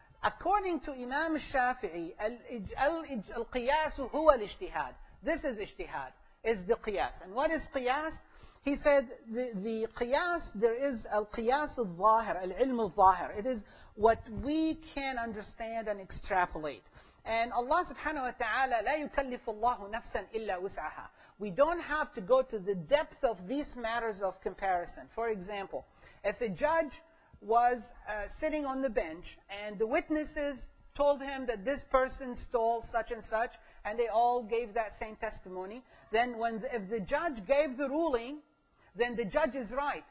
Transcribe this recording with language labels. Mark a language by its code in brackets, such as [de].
[en] According to Imam Shafi'i, [ar] al-Qiyas huwa al-Ijtihad. [en] This is Ijtihad, is the Qiyas. And what is Qiyas? He said, the Qiyas, there is al-Qiyas al-Zahir, al-Ilm al-Zahir. It is what we can understand and extrapolate. [ar] And Allah subhanahu wa ta'ala, لا يكلف الله نفسا إلا وسعها. [en] We don't have to go to the depth of these matters of comparison. For example, if a judge was sitting on the bench and the witnesses told him that this person stole such and such and they all gave that same testimony, then if the judge gave the ruling, then the judge is right.